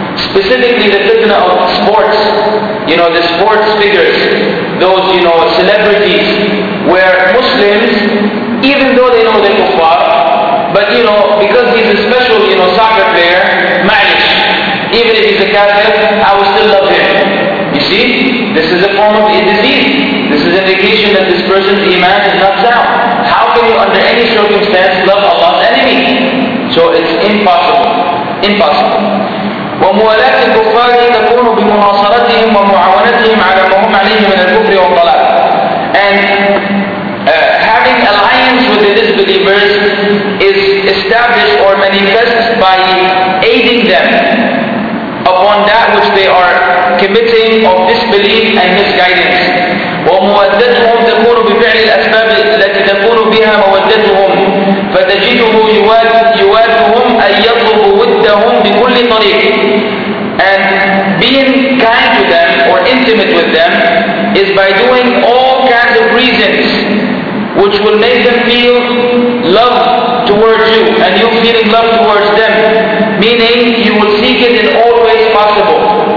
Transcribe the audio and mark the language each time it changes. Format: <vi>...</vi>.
<en>Specifically the fitna of sports, you know, the sports figures, those, you know, celebrities, where Muslims, even though they know they're kuffar, but you know, because he's a special, you know, soccer player, ma'lish, even if he's a kafir, I will still love him. You see, this is a form of a disease. This is an indication that this person's iman is not sound. How can you, under any circumstance, love Allah's enemy? So it's impossible. Impossible.</en> <ar>وموالاه الكفار تكون بمناصرتهم ومعاونتهم على ما هم عليه من الكفر والضلال.</ar> <en>And having alliance with the disbelievers is established or manifests by aiding them upon that which they are committing of disbelief and misguidance.</en> <ar>ومودتهم تكون بفعل الاسباب التي تكون بها مودتهم فتجده يوادهم ان يطلب ودهم بكل طريق.</ar> <en>And being kind to them or intimate with them is by doing all kinds of reasons which will make them feel love towards you and you feeling love towards them, meaning you will seek it in all ways possible.</en>